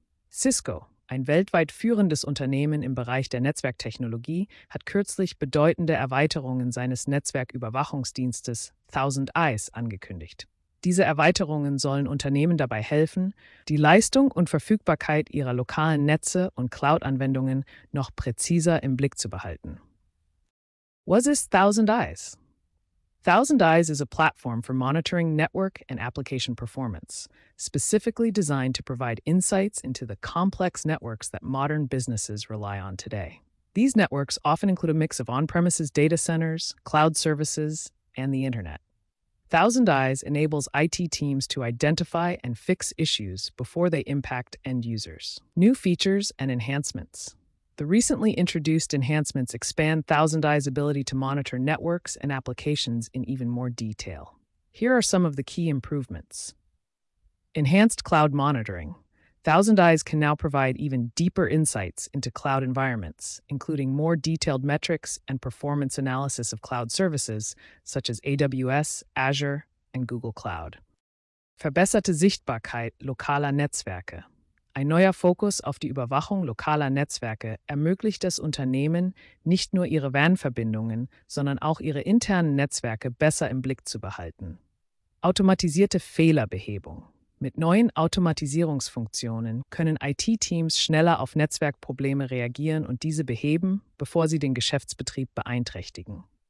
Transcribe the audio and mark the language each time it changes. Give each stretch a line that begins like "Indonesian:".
German: Cisco, ein weltweit führendes Unternehmen im Bereich der Netzwerktechnologie, hat kürzlich bedeutende Erweiterungen seines Netzwerküberwachungsdienstes Thousand Eyes angekündigt. Diese Erweiterungen sollen Unternehmen dabei helfen, die Leistung und Verfügbarkeit ihrer lokalen Netze und Cloud-Anwendungen noch präziser im Blick zu behalten.
English: What is Thousand Eyes? Thousand Eyes is a platform for monitoring network and application performance, specifically designed to provide insights into the complex networks that modern businesses rely on today. These networks often include a mix of on-premises data centers, cloud services, and the internet. Thousand Eyes enables IT teams to identify and fix issues before they impact end users. New features and enhancements. The recently introduced enhancements expand Thousand Eyes' ability to monitor networks and applications in even more detail. Here are some of the key improvements. Enhanced cloud monitoring. Thousand Eyes can now provide even deeper insights into cloud environments, including more detailed metrics and performance analysis of cloud services such as AWS, Azure, and Google Cloud.
German: Verbesserte Sichtbarkeit lokaler Netzwerke. Ein neuer Fokus auf die Überwachung lokaler Netzwerke ermöglicht es Unternehmen, nicht nur ihre WAN-Verbindungen, sondern auch ihre internen Netzwerke besser im Blick zu behalten. Automatisierte Fehlerbehebung. Mit neuen Automatisierungsfunktionen können IT-Teams schneller auf Netzwerkprobleme reagieren und diese beheben, bevor sie den Geschäftsbetrieb beeinträchtigen.